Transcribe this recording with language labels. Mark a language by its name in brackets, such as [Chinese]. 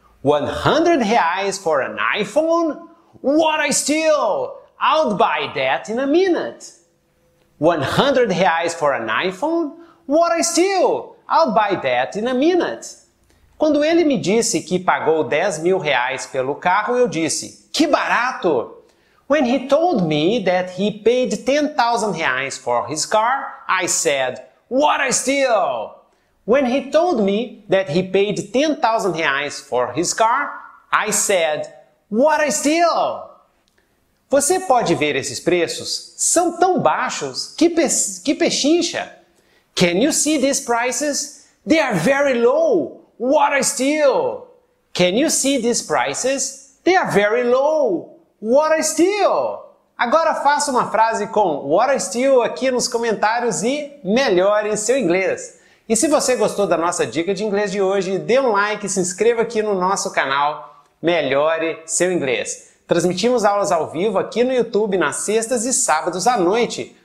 [English] 100 reais for an iPhone? What a steal! I'll buy that in a minute. 100 reais for an iPhone? What a steal! I'll buy that in a minute. [Portuguese] Quando ele me disse que pagou 10 mil reais pelo carro, eu disse, que barato! [English] When he told me that he paid 10,000 reais for his car, I said, what a steal! When he told me that he paid 10,000 reais for his car, I said, what a steal! [Portuguese] Você pode ver esses preços? São tão baixos, que pechincha! [English] Can you see these prices? They are very low! What a steal! Can you see these prices? They are very low! What a steal! [Portuguese] Agora faça uma frase com [English] what a steal [Portuguese] aqui nos comentários e melhore seu inglês! E se você gostou da nossa dica de inglês de hoje, dê um like e se inscreva aqui no nosso canal Melhore Seu Inglês. Transmitimos aulas ao vivo aqui no YouTube nas sextas e sábados à noite.